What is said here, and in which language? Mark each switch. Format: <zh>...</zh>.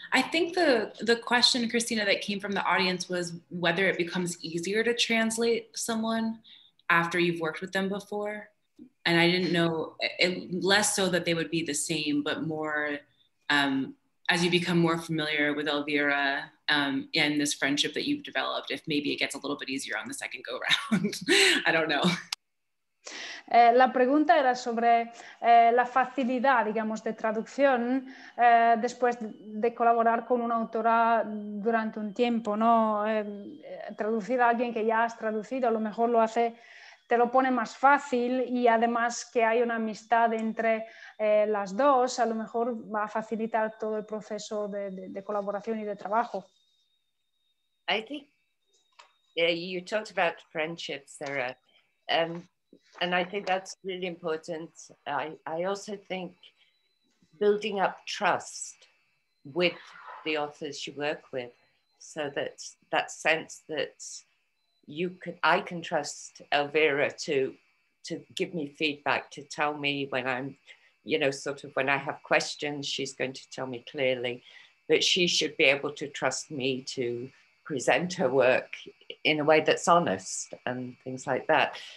<en>I think the question, Christina, that came from the audience was whether it becomes easier to translate someone after you've worked with them before. And I didn't know, less so that they would be the same, but more as you become more familiar with Elvira and this friendship that you've developed, if maybe it gets a little bit easier on the second go round. I don't know.</en> <es>La pregunta era sobre la facilidad, digamos, de traducción después de colaborar con una autora durante un tiempo, ¿no? Traducir a alguien que ya has traducido, a lo mejor lo hace, te lo pone más fácil y además que hay una amistad entre las dos, a lo mejor va a facilitar todo el proceso de colaboración y de trabajo.</es> <en>I think you talked about friendship, Sarah, and I think that's really important. I also think building up trust with the authors you work with, so that sense that I can trust Elvira to give me feedback, to tell me when I'm, you know, sort of when I have questions, she's going to tell me clearly, but she should be able to trust me to present her work in a way that's honest and things like that.</en>